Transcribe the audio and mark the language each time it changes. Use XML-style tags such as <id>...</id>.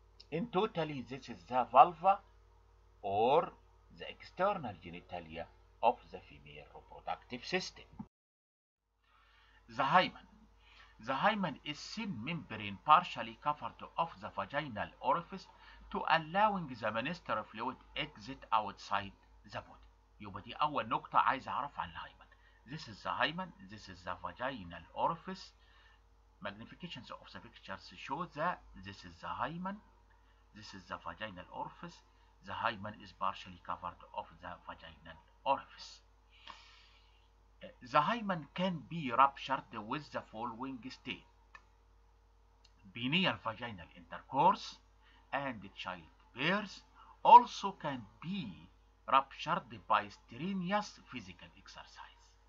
<en>In totally, this is the vulva or the external genitalia of the female reproductive system. The hymen. The hymen is thin membrane partially covered of the vaginal orifice to allowing the menstrual fluid exit outside the body.</en> <ar>يبقى دي أول نقطة عايز أعرف عن الهايمن.</ar> <en>This is the hymen. This is the vaginal orifice. Magnifications of the pictures show that this is the hymen. This is the vaginal orifice. The hymen is partially covered of the vaginal orifice. The hymen can be ruptured with the following state: penile vaginal intercourse and childbirth also can be ruptured by strenuous physical exercise.</en>